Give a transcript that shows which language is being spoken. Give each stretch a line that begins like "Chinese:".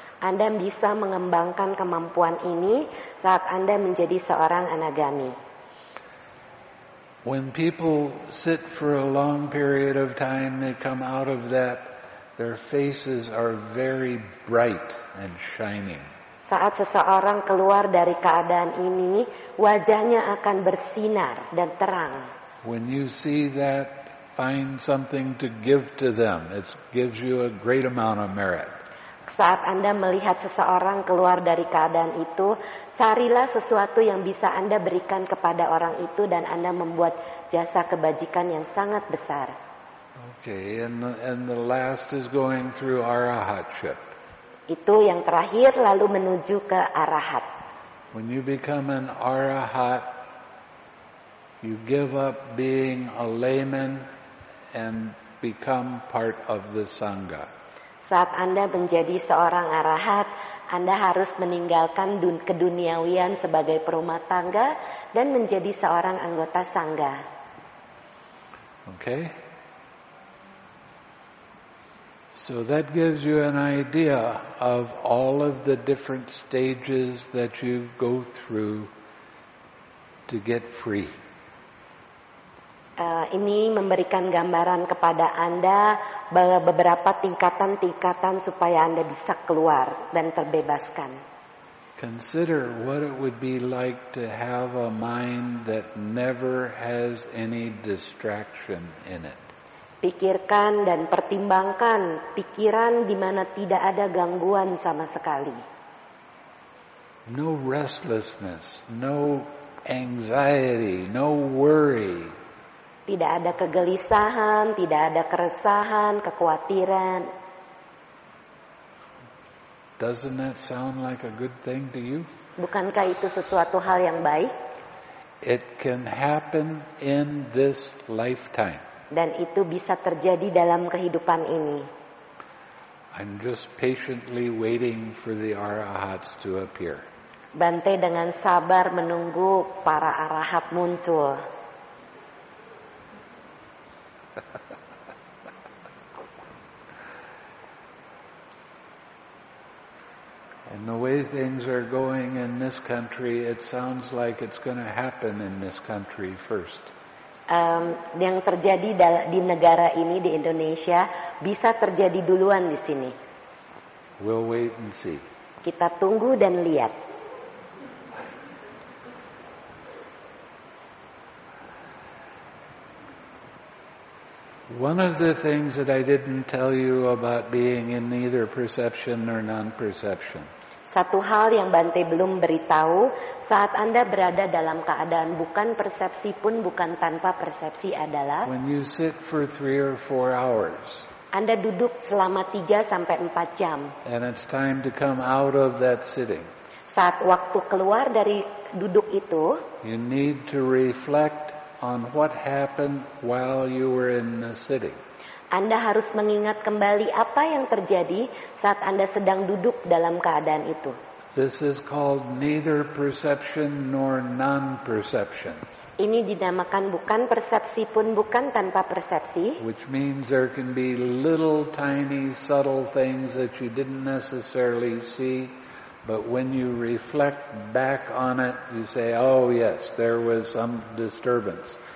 Indonesian: Anda bisa mengembangkan kemampuan ini saat Anda menjadi seorang anagami.
English: When people sit for a long period of time, they come out of that, their faces are very bright and shining.
Indonesian: Saat seseorang keluar dari keadaan ini, wajahnya akan bersinar dan terang.
English: When you see that, find something to give to them. It gives you a great amount of merit.
Indonesian: Saat Anda melihat seseorang keluar dari keadaan itu, carilah sesuatu yang bisa Anda berikan kepada orang itu dan Anda membuat jasa kebajikan yang sangat besar.
English: Okay, and the last is going through arahatship.
Indonesian: Itu yang terakhir lalu menuju ke arahat.
English: When you become an arahat, you give up being a layman and become part of the sangha.
Indonesian: Saat Anda menjadi seorang arahat, Anda harus meninggalkan keduniawian sebagai perumah tangga dan menjadi seorang anggota sangha.
English: Okay. So that gives you an idea of all of the different stages that you go through to get free.
Indonesian: Ini memberikan gambaran kepada Anda beberapa tingkatan-tingkatan supaya Anda bisa keluar dan terbebaskan.
English: Consider what it would be like to have a mind that never has any distraction in it.
Indonesian: Pikirkan dan pertimbangkan pikiran di mana tidak ada gangguan sama sekali.
English: No restlessness, no anxiety, no worry.
Indonesian: Tidak ada kegelisahan, tidak ada keresahan, kekhawatiran.
English: Doesn't that sound like a good thing to you?
Indonesian: Bukankah itu sesuatu hal yang baik?
English: It can happen in this lifetime.
Indonesian: Dan itu bisa terjadi dalam kehidupan ini.
English: I'm just patiently waiting for the arahats to appear.
Indonesian: Bante dengan sabar menunggu para arahat muncul.
English: And the way things are going in this country, it sounds like it's going to happen in this country first.
Indonesian: Yang terjadi di negara ini, di Indonesia, bisa terjadi duluan di sini.
English: We'll wait and see.
Indonesian: Kita tunggu dan lihat.
English: One of the things that I didn't tell you about being in neither perception nor non-perception.
Indonesian: Satu hal yang Bante belum beritahu, saat Anda berada dalam keadaan bukan persepsi pun bukan tanpa persepsi adalah,
English: when you sit for 3 or 4 hours,
Indonesian: Anda duduk selama 3-4 jam,
English: and it's time to come out of that sitting,
Indonesian: saat waktu keluar dari duduk itu,
English: you need to reflect on what happened while you were in the sitting.
Indonesian: Anda harus mengingat kembali apa yang terjadi saat Anda sedang duduk dalam keadaan itu.
English: This is called neither perception nor non-perception.
Indonesian: Ini dinamakan bukan persepsi pun bukan tanpa persepsi.
English: Which means there can be little tiny subtle things that you didn't necessarily see, but when you reflect back on it, you say, oh yes, there was some disturbance.